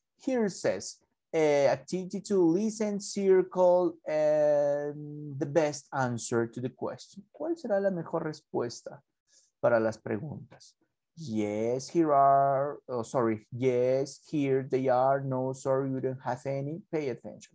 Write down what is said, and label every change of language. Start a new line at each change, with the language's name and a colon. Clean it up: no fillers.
English: Here it says, activity to listen, circle, and the best answer to the question.
Spanish: ¿Cuál será la mejor respuesta para las preguntas?
English: Yes, here are, oh, sorry, yes, here they are, no, sorry, you don't have any, pay attention.